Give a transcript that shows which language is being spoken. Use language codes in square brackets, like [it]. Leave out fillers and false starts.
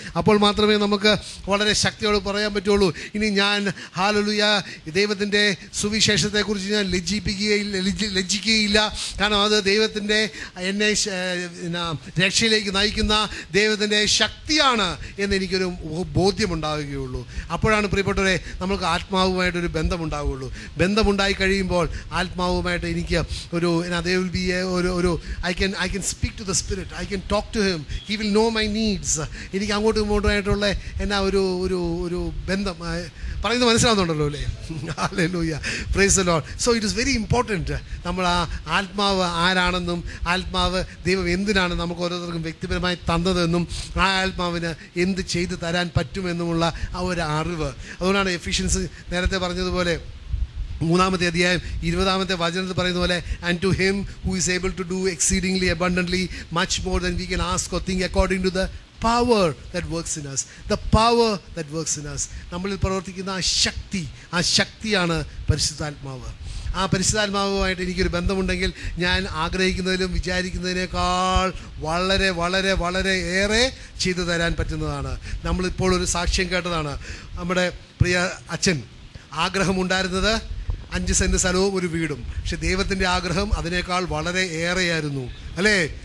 [ml] അപ്പോൾ മാത്രമേ നമുക്ക് വളരെ ശക്തിയോടെ പറയാൻ പറ്റുള്ളൂ, ഇനി ഞാൻ ഹല്ലേലൂയ ദൈവത്തിൻ്റെ സുവിശേഷത്തെക്കുറിച്ച് ഞാൻ ലജ്ജിക്കുകയില്ല. കാരണം അത് ദൈവത്തിൻ്റെ എന്നെ രക്ഷയിലേക്ക് നയിക്കുന്ന ദൈവത്തിൻ്റെ ശക്തിയാണ് എന്നെനിക്കൊരു ബോധ്യമുണ്ടാവുകയുള്ളൂ. അപ്പോഴാണ് പ്രിയപ്പെട്ടവരെ നമുക്ക് ആത്മാവുമായിട്ടൊരു ബന്ധമുണ്ടാവുകയുള്ളൂ. ബന്ധമുണ്ടായി കഴിയുമ്പോൾ ആത്മാവുമായിട്ട് എനിക്ക് ഒരു [en] they will be I can speak to the spirit, I can talk to him, he will know my needs. [ml] ഇനി അങ്ങോട്ടും ഇങ്ങോട്ടുമായിട്ടുള്ള എന്ന ഒരു ഒരു ഒരു ബന്ധം പറയുന്നത് മനസ്സിലാവുന്നുണ്ടല്ലോ അല്ലേ? Hallelujah, [en] Praise the Lord. So it is very important, [ml] നമ്മൾ ആ ആത്മാവ് ആരാണെന്നും ആത്മാവ് ദൈവം എന്തിനാണ് നമുക്ക് ഓരോരുത്തർക്കും വ്യക്തിപരമായി തന്നതെന്നും ആ ആത്മാവിന് എന്ത് ചെയ്തു തരാൻ പറ്റുമെന്നുമുള്ള ആ ഒരു അറിവ്. അതുകൊണ്ടാണ് എഫിഷ്യൻസ് നേരത്തെ പറഞ്ഞതുപോലെ 3:20 പറയുന്ന പോലെ, [en] and to him who is able to do exceedingly abundantly much more than we can ask or think according to the power that works in us, the power that works in us, [ml] നമ്മളിൽ പ്രവർത്തിക്കുന്ന ആ ശക്തിയാണ് പരിശുദ്ധാത്മാവ്. ആ പരിശുദ്ധാത്മാവുമായിട്ട് എനിക്കൊരു ബന്ധമുണ്ടെങ്കിൽ ഞാൻ ആഗ്രഹിക്കുന്നതിലും വിചാരിക്കുന്നതിനേക്കാൾ വളരെ വളരെ വളരെ ഏറെ ചെയ്തു തരാൻ പറ്റുന്നതാണ്. നമ്മളിപ്പോൾ ഒരു സാക്ഷ്യം കേട്ടതാണ്. നമ്മുടെ പ്രിയ അച്ഛൻ ആഗ്രഹമുണ്ടായിരുന്നത് 5 സെൻറ് സ്ഥലവും ഒരു വീടും, പക്ഷെ ദൈവത്തിൻ്റെ ആഗ്രഹം അതിനേക്കാൾ വളരെ ഏറെയായിരുന്നു അല്ലേ?